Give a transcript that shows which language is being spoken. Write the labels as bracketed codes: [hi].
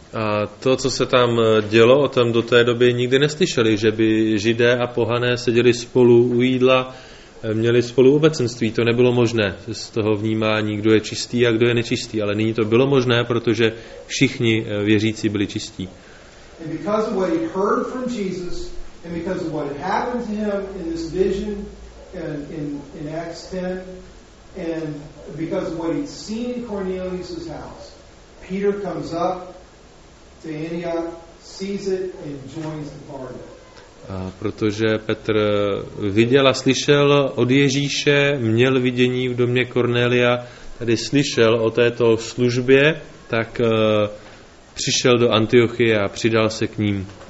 [cs] A to, co se tam dělo, o tom do té doby nikdy neslyšeli, že by Židé a pohané seděli spolu u jídla, měli spolu obecenství. To nebylo možné z toho vnímání, kdo je čistý a kdo je nečistý, ale nyní to bylo možné, protože všichni věřící byli čistí. [en] And because of what he heard from Jesus, and because of what had happened to him in this vision and in Acts 10, and because of what he'd seen in Cornelius' house, Peter comes up to Antioch, sees it, and joins the party. [cs] A protože Petr viděl a slyšel od Ježíše, měl vidění v domě Kornélia, tady slyšel o této službě, tak přišel do Antiochie a přidal se k ním.